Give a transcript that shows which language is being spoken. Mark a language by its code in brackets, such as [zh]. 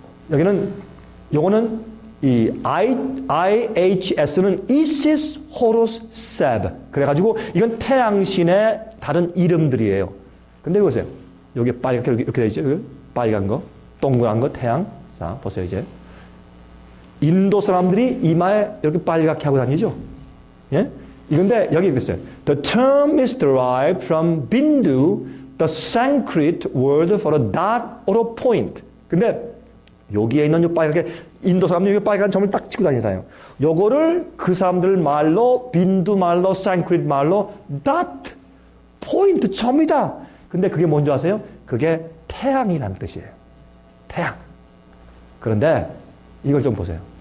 [ko] 여기는 요거는 이 IHS는 Isis Horus Seb. 그래가지고 이건 태양신의 다른 이름들이에요. 근데 보세요. 여기 빨갛게 이렇게 되어 있죠? 빨간 거, 동그란 거, 태양. 자, 보세요, 이제. 인도 사람들이 이마에 이렇게 빨갛게 하고 다니죠? 예? 근데 여기 있어요. [en] The term is derived from Bindu, the Sanskrit word for a dot or a point. [ko] 근데 여기에 있는 요 빨갛게 인도 사람들이 여기 빨간 점을 딱 치고 다니잖아요. 요거를 그 사람들 말로, 빈두 말로, 산크릿 말로, dot, point, 점이다. 근데 그게 뭔지 아세요? 그게 태양이라는 뜻이에요. 태양. 그런데 이걸 좀 보세요.